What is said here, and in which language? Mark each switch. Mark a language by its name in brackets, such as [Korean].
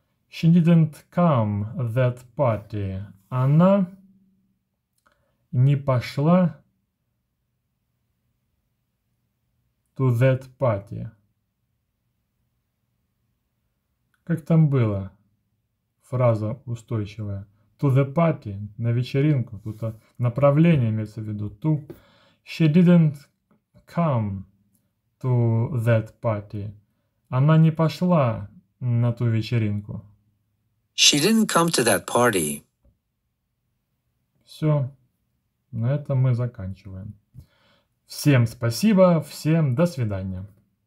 [English] She didn't come that party. [Russian] Она не пошла [English] to that party. [Russian] Как там было? Фраза устойчивая. [English] To the party, [Russian] на вечеринку. Тут направление имеется в виду. [English] To. She didn't come to that party. [Russian] Она не пошла на ту вечеринку. [English] She didn't come to that party. [Russian] Все. На этом мы заканчиваем. Всем спасибо, всем до свидания.